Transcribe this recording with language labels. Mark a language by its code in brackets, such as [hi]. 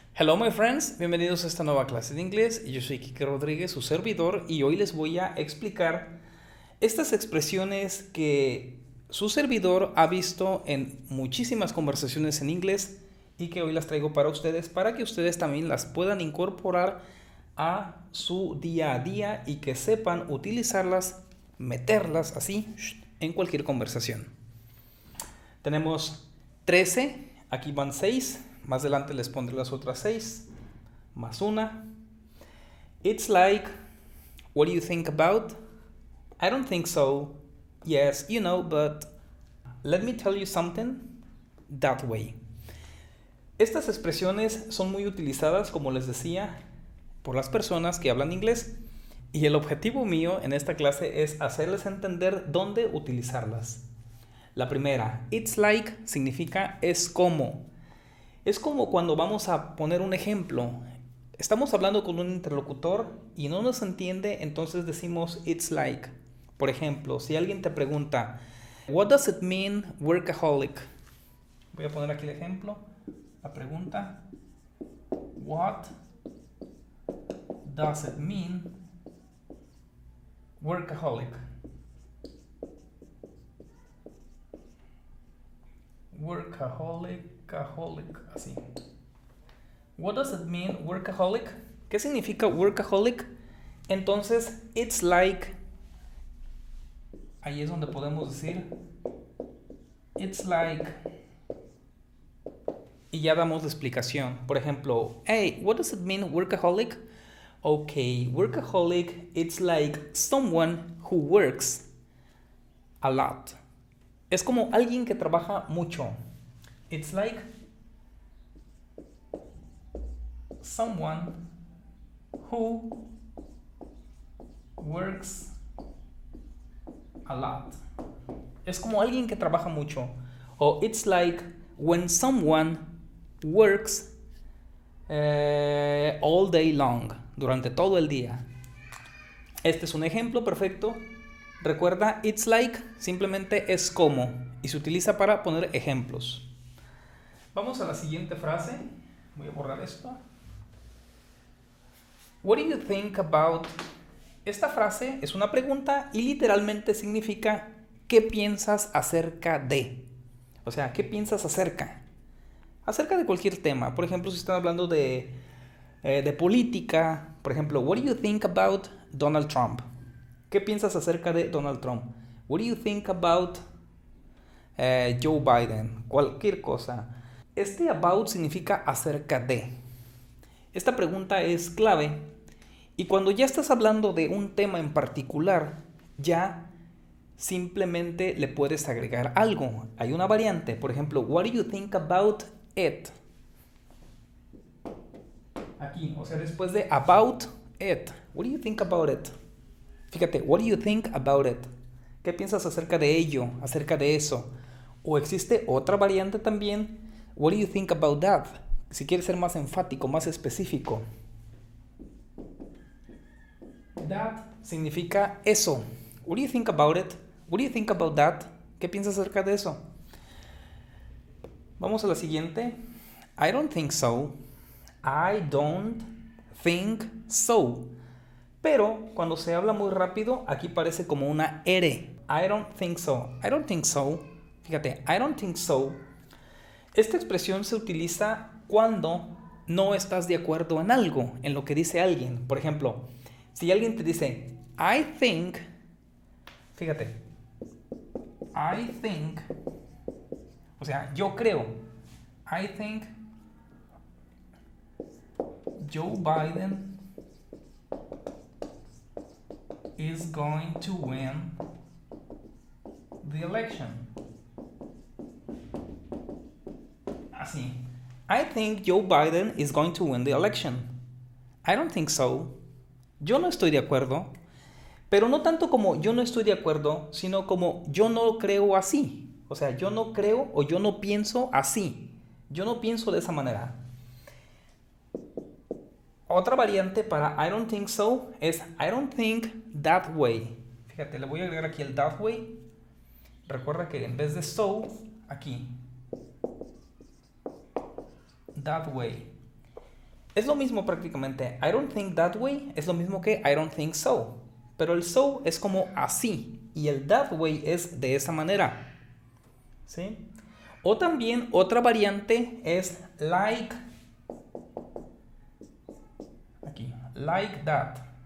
[en] Hello, my friends, [es] bienvenidos a esta nueva clase de inglés. Yo soy Kike Rodríguez, su servidor, y hoy les voy a explicar estas expresiones que su servidor ha visto en muchísimas conversaciones en inglés y que hoy las traigo para ustedes, para que ustedes también las puedan incorporar a su día a día y que sepan utilizarlas, meterlas así en cualquier conversación. Tenemos 13, aquí van 6. Más adelante les pondré las otras 6, más una. [en] It's like, what do you think about? I don't think so. Yes, you know, but let me tell you something that way. [es] Estas expresiones son muy utilizadas, como les decía, por las personas que hablan inglés. Y el objetivo mío en esta clase es hacerles entender dónde utilizarlas. La primera, [en] it's like, [es] significa es como. Es como cuando vamos a poner un ejemplo. Estamos hablando con un interlocutor y no nos entiende, entonces decimos [en] it's like. [es] Por ejemplo, si alguien te pregunta, [en] what does it mean workaholic? [es] Voy a poner aquí el ejemplo. La pregunta, [en] what does it mean workaholic? Workaholic, así. What does it mean, workaholic? [es] ¿Qué significa workaholic? Entonces, [en] it's like, [es] ahí es donde podemos decir, it's like, y ya damos la explicación. Por ejemplo, [en] hey, what does it mean, workaholic? Okay, workaholic, it's like someone who works a lot. [es] Es como alguien que trabaja mucho. [en] It's like someone who works a lot. [es] Es como alguien que trabaja mucho. O [en] it's like when someone works all day long, [es] durante todo el día. Este es un ejemplo perfecto. Recuerda, [en] it's like [es] simplemente es como y se utiliza para poner ejemplos. Vamos a la siguiente frase. Voy a borrar esto. [en] What do you think about? [es] Esta frase es una pregunta y literalmente significa ¿qué piensas acerca de? O sea, ¿qué piensas acerca? Acerca de cualquier tema. Por ejemplo, si están hablando de política. Por ejemplo, [en] what do you think about Donald Trump? [es] ¿Qué piensas acerca de Donald Trump? [en] What do you think about Joe Biden? [es] Cualquier cosa. Este about significa acerca de. Esta pregunta es clave. Y cuando ya estás hablando de un tema en particular, ya simplemente le puedes agregar algo. Hay una variante. Por ejemplo, [en] what do you think about it? [es] Aquí, o sea, después de about it. [en] What do you think about it? [es] Fíjate, [en] what do you think about it? [es] ¿Qué piensas acerca de ello, acerca de eso? O existe otra variante también. [en] What do you think about that? [es] Si quieres ser más enfático, más específico. That significa eso. [en] What do you think about it? What do you think about that? [es] ¿Qué piensas acerca de eso? Vamos a la siguiente. [en] I don't think so. I don't think so. [es] Pero cuando se habla muy rápido, aquí parece como una R. [en] I don't think so. I don't think so. [es] Fíjate, [en] I don't think so. [es] Esta expresión se utiliza cuando no estás de acuerdo en algo, en lo que dice alguien. Por ejemplo, si alguien te dice, [en] I think, [es] fíjate, [en] I think, [es] o sea, yo creo, [en] I think Joe Biden is going to win the election. [es] Así. [en] I think Joe Biden is going to win the election. I don't think so. [es] Yo no estoy de acuerdo. Pero no tanto como yo no estoy de acuerdo, sino como yo no creo así. O sea, yo no creo o yo no pienso así. Yo no pienso de esa manera. Otra variante para [en] I don't think so es I don't think that way. [es] Fíjate, le voy a agregar aquí el that way. Recuerda que en vez de so, aquí. [en] That way. [es] Es lo mismo prácticamente. [en] I don't think that way [es] es lo mismo que [en] I don't think so. [es] Pero el so es como así y el [en] that way [es] es de esa manera. ¿Sí? O también otra variante es like. [en] Like that.